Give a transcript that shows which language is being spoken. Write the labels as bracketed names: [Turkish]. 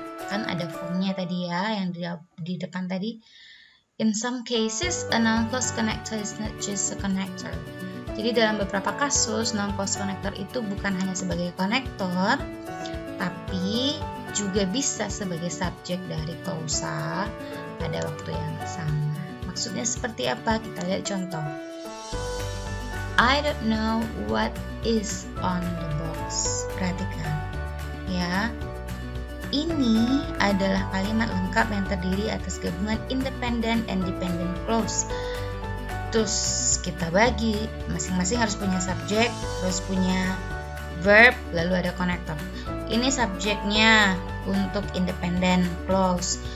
[Indonesian] Kan ada formnya tadi ya, yang di depan tadi. [English] In some cases, a noun clause connector is not just a connector. [Indonesian] Jadi dalam beberapa kasus, noun clause connector itu bukan hanya sebagai konektor, tapi juga bisa sebagai subjek dari clause pada waktu yang sama. Maksudnya seperti apa? Kita lihat contoh. [English] I don't know what is on the box. [Indonesian] Perhatikan, ya. Ini adalah kalimat lengkap yang terdiri atas gabungan independent and dependent clause. Terus kita bagi, masing-masing harus punya subjek, harus punya verb, lalu ada connector. Ini subjeknya untuk independent clause.